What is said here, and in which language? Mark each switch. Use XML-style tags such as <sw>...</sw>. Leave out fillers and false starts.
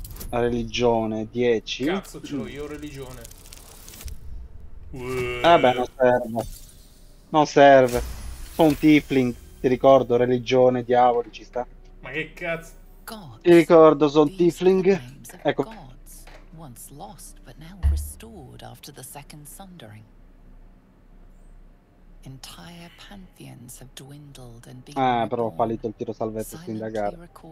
<it>Religione 10. Cazzo, ce l'ho io religione. Vabbè, non serve. Non serve. Sono un tiefling, ti ricordo, religione, diavoli, ci sta. Ma che cazzo?</it> <en>God.</en> <it>Ti ricordo, sono tiefling. Ecco.</it> <en>Gods, once lost but now restored after the second sundering. Entire pantheons have dwindled and been.</en> <it>Ah, però ho fallito il tiro salvezza su indagare.</it>